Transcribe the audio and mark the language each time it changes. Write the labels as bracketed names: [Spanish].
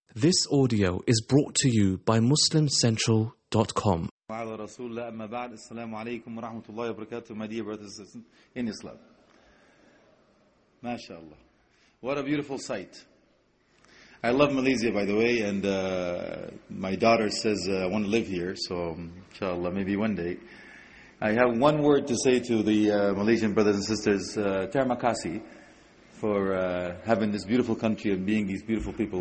[English] This audio is brought to you by MuslimCentral.com. [Arabic] وعلى رسول الله أما بعد السلام عليكم ورحمة الله وبركاته [English] my dear brothers in Islam. ما شاء الله. What a beautiful sight. I love Malaysia by the way and my daughter says I want to live here so inshallah maybe one day. I have one word to say to the Malaysian brothers and sisters. Terima kasih. For having this beautiful country and being these beautiful people.